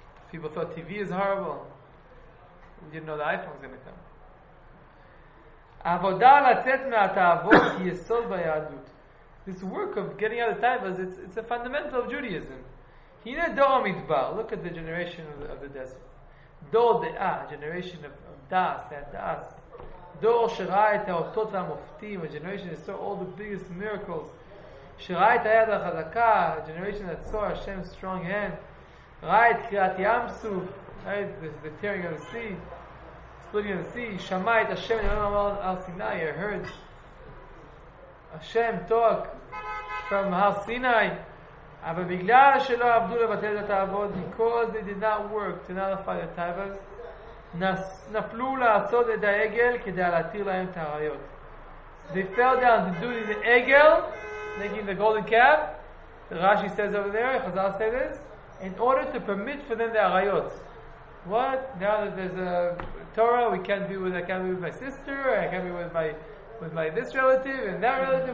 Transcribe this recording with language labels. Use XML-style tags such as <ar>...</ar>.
<en>People thought TV is horrible. We didn't know the iPhone was going to come.</en> <he>העבודה לצאת מהתאוות היא יסוד ביהדות.</he> <en>This work of getting out of taivas, it's a fundamental of Judaism.</en> <he>הנה דור המדבר.</he> <en>Look at the generation of the desert.</en> <he>דור דעה,</he> <en>generation of das, that das.</en> <he>דור שראה את האותות והמופתים,</he> <en>a generation that saw all the biggest miracles.</en> <he>שראה את היד החזקה,</he> <en>a generation that saw Hashem's strong hand.</en> <he>ראה את קריאת ים סוף,</he> <en>the tearing of the sea. Splitting in the sea,</en> <he>שמעה את השם, אני אומר על הר סיני,</he> <en>I heard השם talk from הר סיני,</en> <he>אבל בגלל שלא עבדו לבטל את העבוד,</he> <en>because they did not work to nullify the taivas,</en> <he>נפלו לעשות את העגל כדי להתיר להם את העריות.</he> <en>They fell down to do the egel, making the golden calf, Rashi says over there, Chazal says this, in order to permit for them the העריות. What? Now that there's a Torah, I can't be with my sister, I can't be with my this relative and that relative.</en>